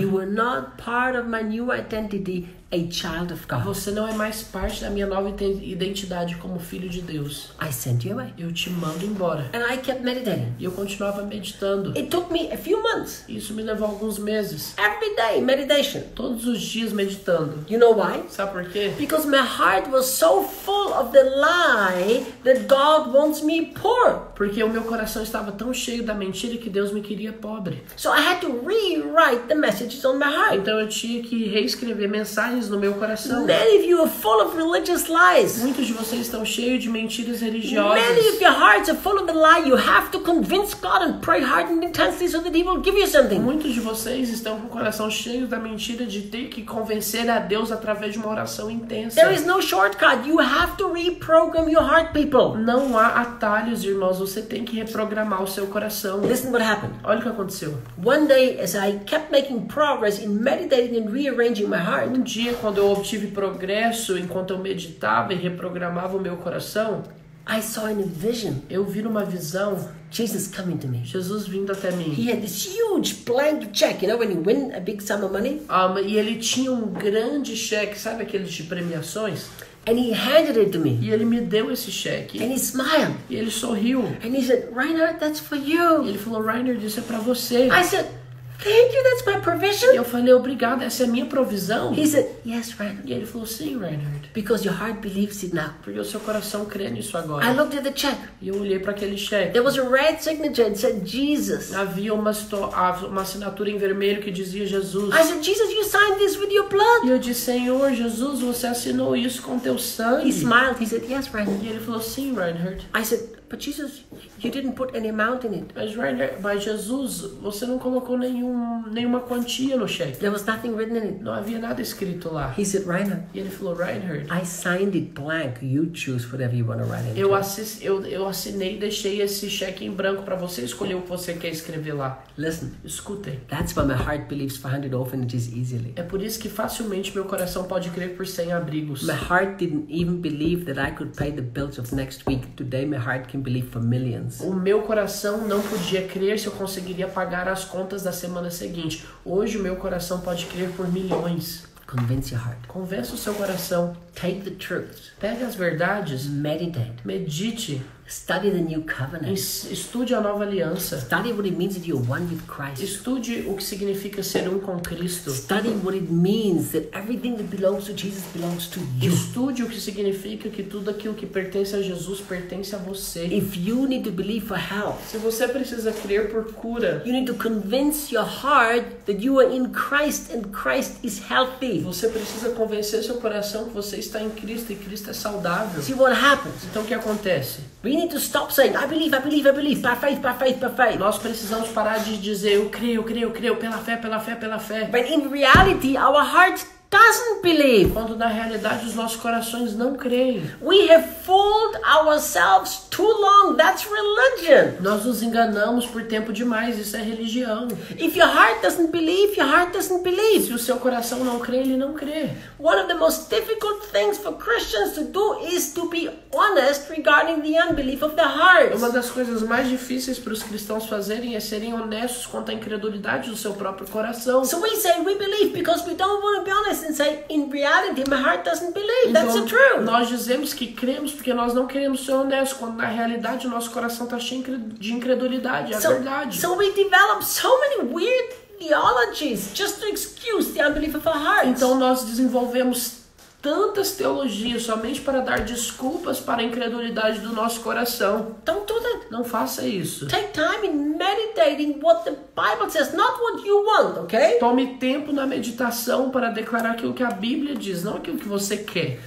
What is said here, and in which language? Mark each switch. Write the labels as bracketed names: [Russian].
[English] You were not part of my new identity. A child of God. [Portuguese] Você não é mais parte da minha nova identidade como filho de Deus. [English] I sent you away. [Portuguese] Eu te mando embora. [English] And I kept meditating. [Portuguese] E eu continuava meditando. [English] It took me a few months. [Portuguese] Isso me levou alguns meses. [English] Every day meditation. [Portuguese] Todos os dias meditando. [English] You know why? [Portuguese] Sabe por quê? [English] Because my heart was so full of the lie that God wants me poor. [Portuguese] Porque o meu coração estava tão cheio da mentira que Deus me queria pobre. [English] So I had to rewrite the messages on my heart. [Portuguese] Então eu tinha que reescrever mensagens no meu coração. [English] Many of you are full of religious lies. [Portuguese] Muitos de vocês estão cheios de mentiras religiosas. [English] Many of your hearts are full of the lie. You have to convince God and pray hard and intensely so that He will give you something. [Portuguese] Muitos de vocês estão com o coração cheio da mentira de ter que convencer a Deus através de uma oração intensa. [English] There is no shortcut. You have to reprogram your heart, people. [Portuguese] Não há atalhos, irmãos. Você tem que reprogramar o seu coração. [English] Listen what happened. [Portuguese] Olha o que aconteceu. [English] One day, as I kept making progress in meditating and rearranging my heart. [Portuguese] Um dia, quando eu obtive progresso, enquanto eu meditava e reprogramava o meu coração, [English] I saw in a vision. [Portuguese] Eu vi numa visão. [English] Jesus coming to me. [Portuguese] Jesus vindo até mim. [English] He had this huge blank check, you know, when you win a big sum of money. [Portuguese] E ele tinha um grande cheque, sabe aqueles de premiações? [English] And he handed it to me. [Portuguese] E ele me deu esse cheque. [English] And he smiled. [Portuguese] E ele sorriu. [English] And he said, Reinhard, that's for you. [Portuguese] E ele falou, Reinhard, isso é para você. [English] I said, thank you, that's my provision. [Portuguese] Eu falei, obrigado, essa é a minha provisão. [English] He said, yes, Reinhard. [Portuguese] E ele falou, sim, Reinhard. [English] Because your heart believes it now. [Portuguese] Porque o seu coração crê nisso agora. [English] I looked at the check. [Portuguese] E eu olhei para aquele cheque. [English] There was a red signature and said, Jesus. [Portuguese] Havia uma assinatura em vermelho que dizia Jesus. [English] I said, Jesus, you signed this with your blood. [Portuguese] E eu disse, Senhor, Jesus, você assinou isso com teu sangue. [English] He smiled, he said, yes, Reinhard. [Portuguese] E ele falou, sim, Reinhard. [English] I said, But Jesus, you didn't put any amount in it. [Portuguese] Mas Jesus, você não colocou nenhuma quantia no cheque. [English] There was nothing written in it. [Portuguese] Não havia nada escrito lá. [English] He said, Reinhard. [Portuguese] E ele falou, Reinhard. [English] I signed it blank. You choose whatever you want to write in. [Portuguese] Eu assinei, deixei esse cheque em branco para você escolher o que você quer escrever lá. [English] Listen. [Portuguese] Escute. [English] That's why my heart believes for 100 orphanages easily. [Portuguese] É por isso que facilmente meu coração pode crer por 100 abrigos. [English] My heart didn't even believe that I could pay the bills of next week. Today my heart can believe for millions. [Portuguese] O meu coração não podia crer se eu conseguiria pagar as contas da semana seguinte. Hoje o meu coração pode crer por milhões. [English] Convince your heart. [Portuguese] Convença o seu coração. [English] Take the truth. [Portuguese] Pegue as verdades. [English] Meditate. [Portuguese] Medite. [English] Study the new covenant. [Portuguese] Estude a nova aliança. [English] Study what it means that you're one with Christ. [Portuguese] Estude o que significa ser um com Cristo. [English] Study what it means that everything that belongs to Jesus belongs to you. [Portuguese] Estude o que significa que tudo aquilo que pertence a Jesus pertence a você. [English] If you need to believe for health, [Portuguese] se você precisa crer por cura, [English] you need to convince your heart that you are in Christ and Christ is healthy. [Portuguese] Você precisa convencer seu coração que você está em Cristo e Cristo é saudável. [English] See what happens. [Portuguese] Então o que acontece? [English] We need to stop saying, I believe, by faith, by faith, by faith. [Portuguese] Nós precisamos parar de dizer, eu creio, pela fé. [English] But in reality, our heart doesn't believe. [Portuguese] Quando na realidade os nossos corações não creem. [English] We have fooled ourselves too long, that's religion. [Portuguese] Nós nos enganamos por tempo demais, isso é religião. [English] If your heart doesn't believe, your heart doesn't believe. [Portuguese] Se o seu coração não crê, ele não crê. [English] One of the most difficult things for Christians to do is to be honest regarding the unbelief of the heart. [Portuguese] Uma das coisas mais difíceis para os cristãos fazerem é serem honestos quanto à incredulidade do seu próprio coração. [English] So we say we believe because we don't want to be honest and say in reality my heart doesn't believe. That's [Portuguese] então, [English] the truth. [Portuguese] Nós dizemos que cremos porque nós não queremos ser honestos quando na realidade o nosso coração está cheio de incredulidade, é verdade. [English] So we develop so many weird theologies just to excuse the unbelief of our hearts. [Portuguese] Então nós desenvolvemos tantas teologias somente para dar desculpas para a incredulidade do nosso coração. [English] Don't do that. [Portuguese] Não faça isso. [English] Take time in meditating what the Bible says, not what you want, okay? [Portuguese] Tome tempo na meditação para declarar aquilo que a Bíblia diz, não aquilo que você quer.